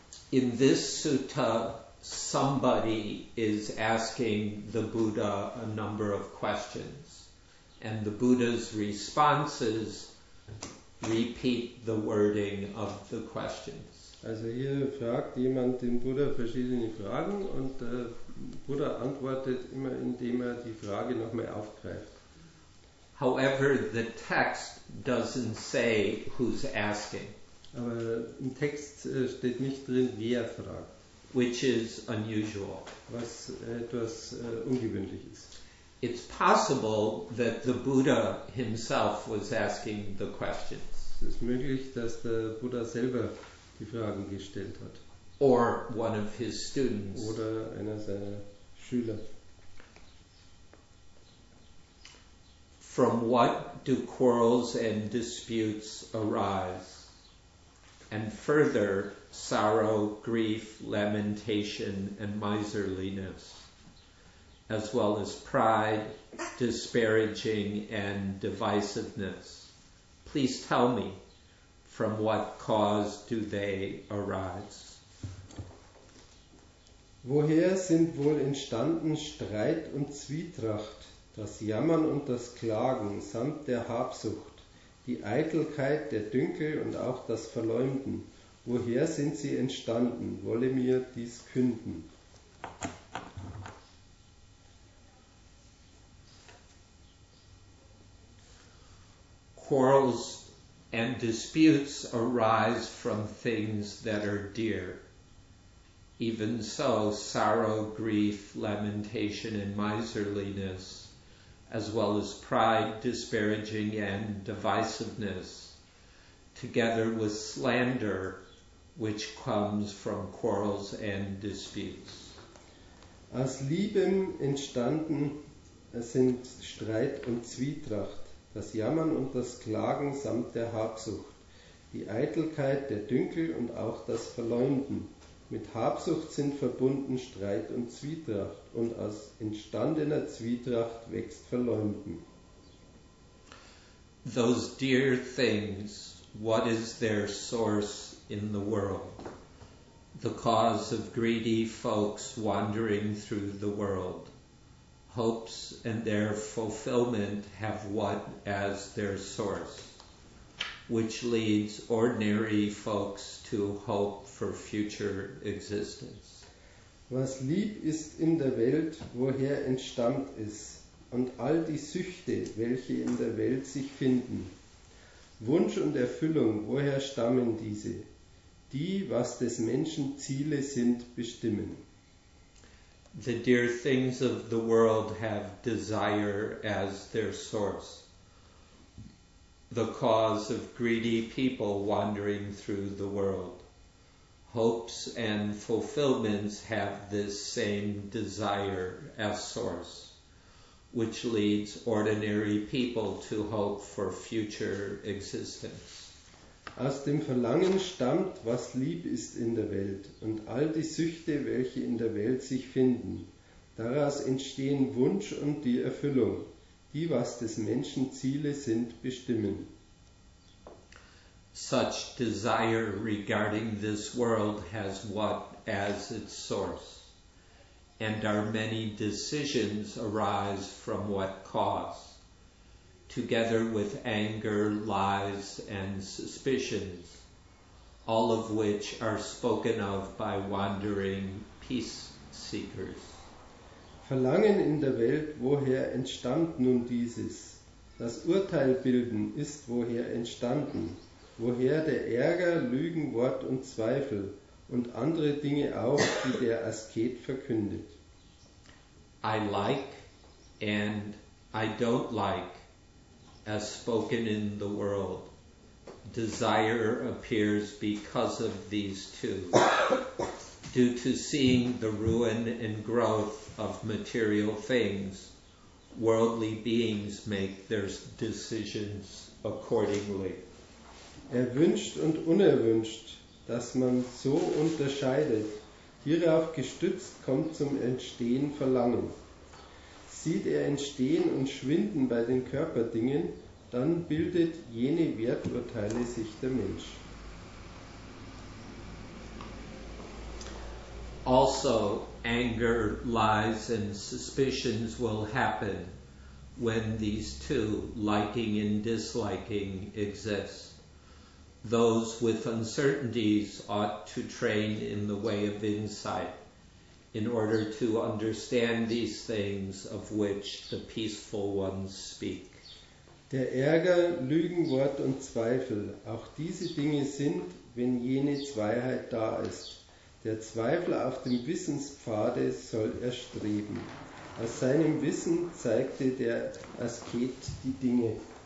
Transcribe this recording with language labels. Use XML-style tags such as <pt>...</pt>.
<en>In this sutta, somebody is asking the Buddha a number of questions, and the Buddha's responses repeat the wording of the questions.</en> <de>Also hier fragt jemand den Buddha verschiedene Fragen und der Buddha antwortet immer, indem er die Frage nochmal aufgreift.</de> <en>However, the text doesn't say who's asking.</en> <de>Aber im Text steht nicht drin, wer fragt.</de> <en>Which is unusual.</en> <de>Was etwas ungewöhnlich ist.</de> <en>It's possible that the Buddha himself was asking the questions.</en> <de>Es ist möglich, dass der Buddha selber die Fragen gestellt hat.</de> <en>Or one of his students.</en> <de>Oder einer seiner Schüler.</de> <en>From what do quarrels and disputes arise? And further, sorrow, grief, lamentation, and miserliness, as well as pride, disparaging, and divisiveness. Please tell me, from what cause do they arise?</en> <de>Woher sind wohl entstanden Streit und Zwietracht, das Jammern und das Klagen samt der Habsucht, die Eitelkeit, der Dünkel und auch das Verleumden? Woher sind sie entstanden? Wolle mir dies künden.</de> <en>Quarrels and disputes arise from things that are dear. Even so, sorrow, grief, lamentation, and miserliness, as well as pride, disparaging, and divisiveness, together with slander, which comes from quarrels and disputes.</en> <de>Aus Lieben entstanden sind Streit und Zwietracht, das Jammern und das Klagen samt der Habsucht, die Eitelkeit, der Dünkel und auch das Verleumden. Mit Habsucht sind verbunden Streit und Zwietracht, und aus entstandener Zwietracht wächst Verleumden.</de> <en>Those dear things, what is their source in the world? The cause of greedy folks wandering through the world. Hopes and their fulfillment have what as their source, which leads ordinary folks to hope for future existence.</en> <de>Was lieb ist in der Welt, woher entstammt es, und all die Süchte, welche in der Welt sich finden. Wunsch und Erfüllung, woher stammen diese? Die, was des Menschen Ziele sind, bestimmen.</de> <en>The dear things of the world have desire as their source. The cause of greedy people wandering through the world. Hopes and fulfillments have this same desire as source, which leads ordinary people to hope for future existence.</en> <de>Aus dem Verlangen stammt, was lieb ist in der Welt, und all die Süchte, welche in der Welt sich finden. Daraus entstehen Wunsch und die Erfüllung. Die, was des Menschen Ziele sind, bestimmen.</de> <en>Such desire regarding this world has what as its source, and our many decisions arise from what cause, together with anger, lies, and suspicions, all of which are spoken of by wandering peace seekers.</en> <de>Verlangen in der Welt, woher entstand nun dieses? Das Urteil bilden ist, woher entstanden. Woher der Ärger, Lügen, Wort und Zweifel und andere Dinge auch, die der Asket verkündet.</de> <en>I like and I don't like, as spoken in the world. Desire appears because of these two. due to seeing the ruin and growth of material things, worldly beings make their decisions accordingly.</en> <de>Erwünscht und unerwünscht, dass man so unterscheidet, hierauf gestützt kommt zum Entstehen Verlangen. Sieht er Entstehen und Schwinden bei den Körperdingen, dann bildet jene Werturteile sich der Mensch.</de> <en>Also, anger, lies and suspicions will happen when these two, liking and disliking, exist. Those with uncertainties ought to train in the way of insight in order to understand these things of which the peaceful ones speak.</en> <de>Der Ärger, Lügenwort und Zweifel, auch diese Dinge sind, wenn jene Zweiheit da ist. Der Zweifel auf dem Wissenspfade soll erstreben. Aus seinem Wissen zeigte der Asket die Dinge.</de>